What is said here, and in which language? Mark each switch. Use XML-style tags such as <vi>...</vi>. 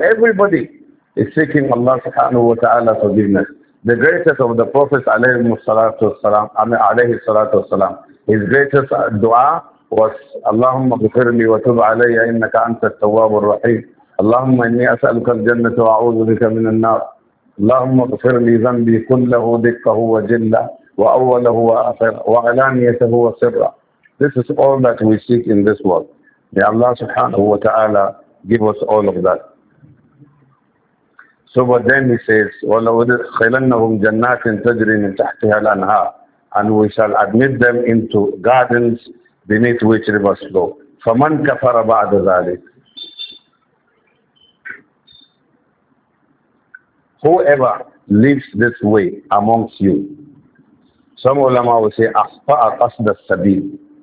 <en>Everybody is seeking Allah</en> <ar>subhanahu wa ta'ala</ar> <en>forgiveness. The greatest of the prophets</en> <ar>alayhi salatu wasalam,</ar> <en>his greatest dua was</en> <ar>Allahumma ghfirli wa tub alayya innaka anta at-tawwab ar-rahim. Allahumma inni as'aluka al-jannata wa a'udhu bika min an-nar. اللهم اغفر لي ذنبي كله دقه وجله واوله واخره وعلانيته وسره.</ar> <en>This is all that we seek in this world. May Allah</en> <ar>subhanahu wa ta'ala</ar> <en>give us all of that. So but then he says,</en> <ar>وَلَوْدِخِلَنَّهُمْ جَنَّاتٍ تَجْرِ مِنْ تَحْتِهَا الْأَنْهَارِ</ar> <en>And we shall admit them into gardens beneath which rivers flow.</en> <ar>فَمَنْ كَفَرَ بَعْدَ ذَلِكَ</ar> <en>Whoever lives this way amongst you, some ulama will say,</en> <ar>أَخْطَأَ قَصْدَ السَّبِيلِ</ar>